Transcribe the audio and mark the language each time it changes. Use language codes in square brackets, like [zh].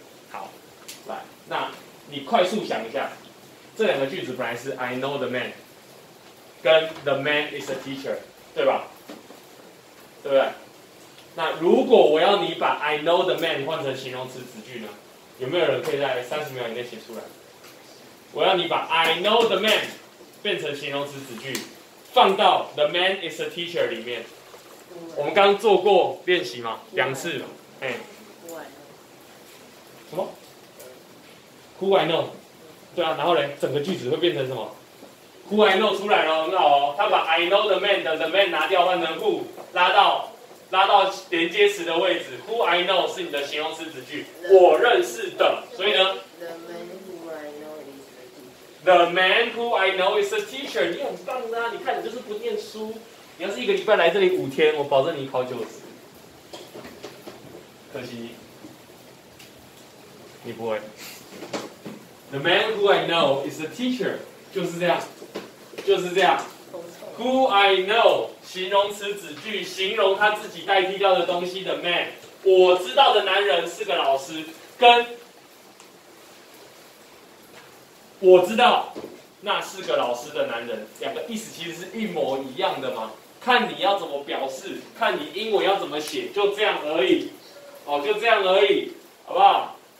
[zh] 好，来，那你快速想一下，这两个句子本来是 [en] I know the man， [zh] 跟 [en] the man is a teacher， [zh] 对吧？对不对？那如果我要你把 [en] I know the man [zh] 换成形容词子句呢？有没有人可以在30秒以内写出来？我要你把 [en] I know the man [zh] 变成形容词子句，放到 [en] the man is a teacher [zh] 里面。我们刚做过练习嘛，两次嘛，哎。什么 [en] ？Who I know？ [zh] 对啊，然后嘞，整个句子会变成什么 ？ [en] Who I know [zh] 出来了，很好哦。他把 [en] I know the man [zh] 的 [en] the man [zh] 拿掉，换成 who， 拉到连接词的位置 ， [en] Who I know [zh] 是你的形容词子句，我认识的，所以呢 [en] ，The man who I know is a teacher。 The man who I know is a teacher， [zh] 你很棒啊！你看你就是不念书，你要是一个礼拜来这里五天，我保证你考90。可惜你不会。 [en] The man who I know is a teacher， [zh] 就是这样，就是这样。 Who I know 形容词子句，形容他自己代替掉的东西的 man， 我知道的男人是个老师，跟我知道那是个老师的男人，两个意思其实是一模一样的嘛，看你要怎么表示，看你英文要怎么写，就这样而已，哦，就这样而已，好不好？